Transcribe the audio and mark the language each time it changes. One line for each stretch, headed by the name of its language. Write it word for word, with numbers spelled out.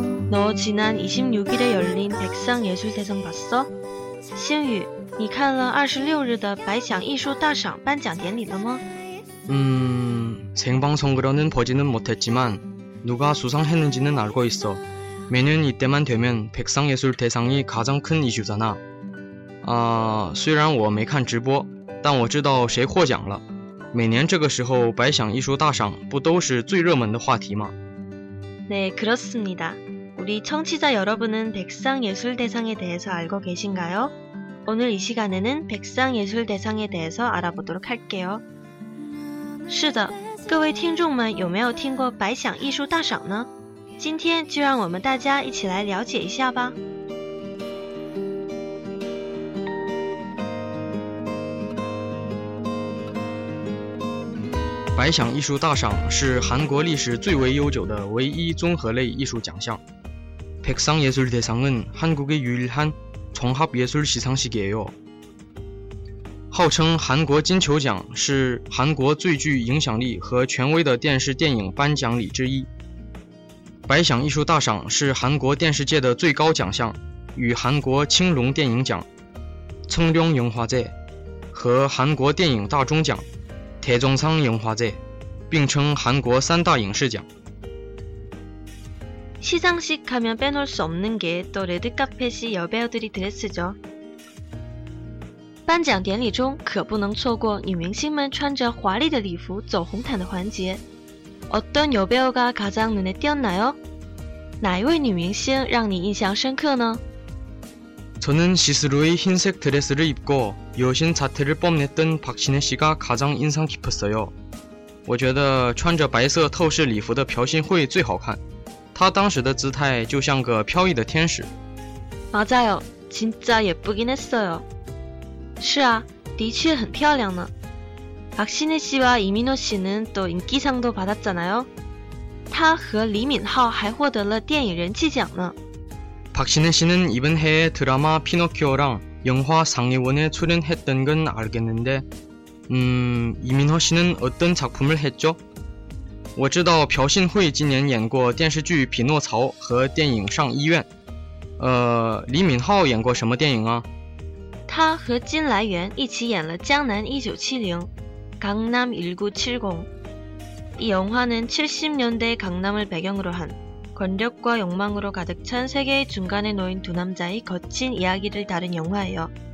Korean: 너지난 이십육일에 열린 백상예술대상 봤어？
Chinese: 馨予，你看了二十六日的百想艺术大赏颁奖典礼了吗？
Korean: 嗯，생방송으로는 보지는 못했지만 누가 수상했는지는 알고 있어. 매년 이때만 되면 백상예술대상이 가장 큰 이슈잖아.
Chinese: 啊，虽然我没看直播，但我知道谁获奖了。每年这个时候，百想艺术大赏不都是最热门的话题吗？
Korean: 네그렇습니다。 우리 청취자 여러분은 백상예술대상에 대해서 알고 계신가요? 오늘 이 시간에는 백상예술대상에 대해서 알아보도록 할게요.
Chinese: 是的，各位听众们有没有听过百想艺术大赏呢？今天就让我们大家一起来了解一下吧。百想艺术大赏是韩国历史最为悠久的唯一综合类艺术奖项。
Korean: 백상예술대상은 한국의 유일한 종합예술시상식이에요.
Chinese: 号称韩国金球奖，是韩国最具影响力和权威的电视电影颁奖礼之一。百想艺术大赏是韩国电视界的最高奖项，与韩国青龙电影奖、청룡영화제和韩国电影大钟奖、대종상영화제并称韩国三大影视奖。
Korean: 시상식 하면 빼놓을 수 없는 게 또 레드카펫이 여배우들이 드레스죠.
Chinese: 颁奖典礼中可不能错过女明星们穿着华丽的礼服走红毯的环节。
Korean: 어떤 여배우가 가장 눈에 띄었나요？
Chinese: 哪一位女明星让你印象深刻呢？
Korean: 저는 시스루의 흰색 드레스를 입고 여신 자태를 뽐냈던 박신혜 씨가 가장 인상 깊었어요.
Chinese: 我觉得穿着白色透视礼服的朴信惠最好看。他当时的姿态就像个飘逸的天使。
Korean: 맞아요，진짜 예쁘긴 했어요。
Chinese: 是啊，的确很漂亮呢。
Korean: 박신혜씨와이민호씨는 또 인기상도 받았잖아요。
Chinese: 他和李敏镐还获得了电影人气奖呢。
Korean: 박신혜씨는 이번 해에 드라마 피노키오랑 영화 상예원에 출연했던 건 알겠는데 음, 이민호 씨는 어떤 작품을 했죠?
Chinese: 我知道朴信惠今年演过电视剧《匹诺曹》和电影《上医院》。呃， 李敏镐演过什么电影啊？他和金来源一起演了《江南一九七零》, 강남 천구백칠십.
Korean: 이 영화는 칠십 년대 강남을 배경으로 한 권력과 욕망으로 가득 찬 세계의 중간에 놓인 두 남자의 거친 이야기를 다룬 영화예요.